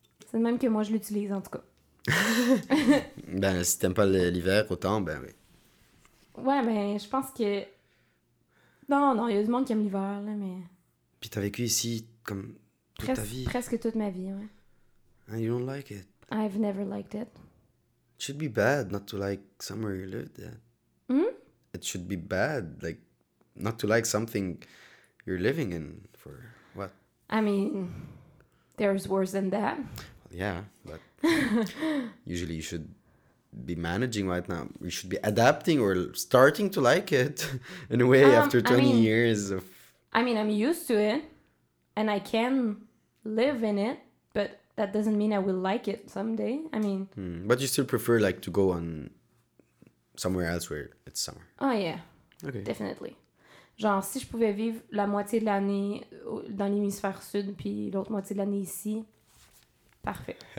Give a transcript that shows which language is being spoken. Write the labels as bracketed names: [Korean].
[French] C'est le même que moi, je l'utilise, en tout cas. Ben, si t'aimes pas l'hiver autant, ben oui. Ouais, ben, je pense que... Non, il y a du monde qui aime l'hiver, là, mais... Puis t'as vécu ici, comme, toute ta vie. Presque toute ma vie, ouais. [English] And you don't like it. I've never liked it. It should be bad not to like somewhere you lived at. Hmm? It should be bad, like... Not to like something you're living in for what? I mean, there's worse than that. Well, yeah, but usually you should be managing right now. You should be adapting or starting to like it in a way after 20 years of... I mean, I'm used to it and I can live in it, but that doesn't mean I will like it someday. I mean... But you still prefer like to go on somewhere else where it's summer. Oh, yeah. Okay. Definitely. [French] Genre, si je pouvais vivre la moitié de l'année dans l'hémisphère sud, puis l'autre moitié de l'année ici, parfait.